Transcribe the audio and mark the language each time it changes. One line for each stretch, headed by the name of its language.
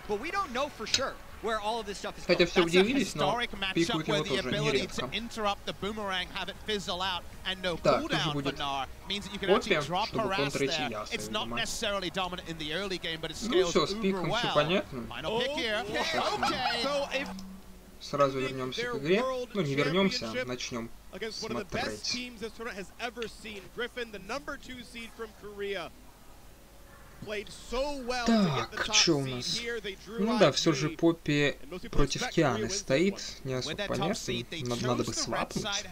English: But we don't know for sure where all of this stuff is.
Russian: Хотя все удивились, но пикают его тоже нередко.
English: Interrupt the boomerang, have it fizzle out and no cooldown for Gnar means that you can actually drop harass there. It's not necessarily dominant in the early game, but it scales uber well.
Russian: Okay. сразу вернемся к игре. Ну, не вернемся, начнем смотреть. Так, что у нас? Ну да, все же Поппи против Кианы стоит, не особо понятно, надо бы свапнуть.